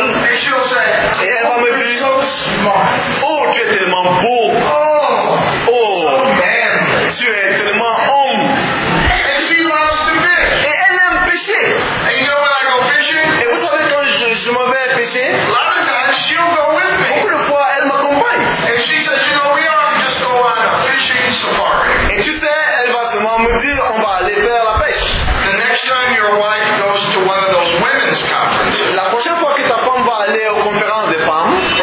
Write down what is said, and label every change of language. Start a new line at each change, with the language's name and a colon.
English: And she'll say.
French: Et elle va me dire.
English: So smart.
French: Oh, tu es tellement beau. Oh, oh,
English: man.
French: Tu es tellement homme.
English: And she loves to fish.
French: Et elle aime pêcher.
English: And you know when I go fishing?
French: Et vous savez quand je m'en vais pêcher?
English: A lot of times she'll go with me.
French: Beaucoup de fois elle m'accompagne.
English: And she says, you know, we ought to just go on a fishing safari.
French: Et tu sais, elle va seulement me dire, on va aller faire la pêche.
English: The next time your wife goes to one of those women's conferences.
French: La prochaine fois que ta femme va aller aux conférences des femmes.